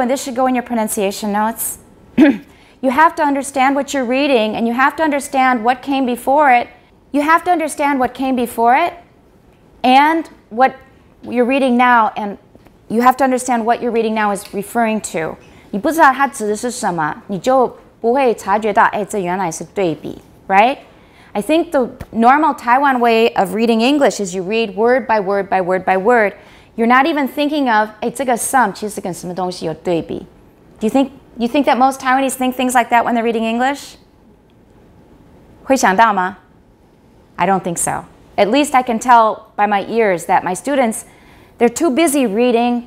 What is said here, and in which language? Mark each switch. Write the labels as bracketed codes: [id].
[en] And this should go in your pronunciation notes. You have to understand what you're reading, and you have to understand what came before it. You have to understand what came before it, and what you're reading now, and you have to understand what you're reading now is referring to. [zh] 你不知道它指的是什么，你就不会察觉到，哎，这原来是对比 [en] right? I think the normal Taiwan way of reading English is you read word by word by word by word. You're not even thinking of, [zh] 哎，这个 [en] some [zh] 其实跟什么东西有对比。 [en] Do you think that most Taiwanese think things like that when they're reading English? [zh] 会想到吗? [en] I don't think so. At least I can tell by my ears that my students, they're too busy reading.